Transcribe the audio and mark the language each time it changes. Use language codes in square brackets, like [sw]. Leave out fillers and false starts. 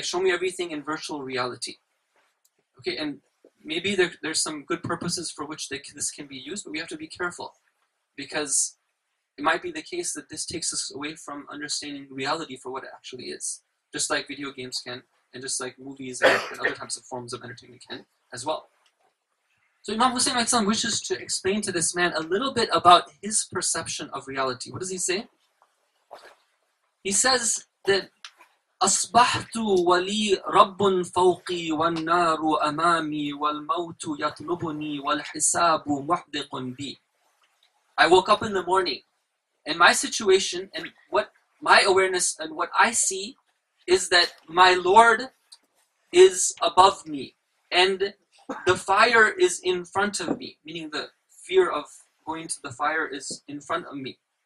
[en] Like, show me everything in virtual reality. Okay, and maybe there's some good purposes for which this can be used, but we have to be careful, because it might be the case that this takes us away from understanding reality for what it actually is. Just like video games can, and just like movies and other types of forms of entertainment can as well. So Imam Hussein alayhi salam wishes to explain to this man a little bit about his perception of reality. What does he say? He says that, [ar] أَصْبَحْتُ وَلِي رَبٌّ فَوْقِي وَالنَّارُ أَمَامِي وَالْمَوْتُ يَطْلُبُنِي وَالْحِسَابُ مُحْدِقٌ بِي. [en] I woke up in the morning, and my situation and what my awareness and what I see is that my Lord is above me, and the fire is in front of me, meaning the fear of going to the fire is in front of me.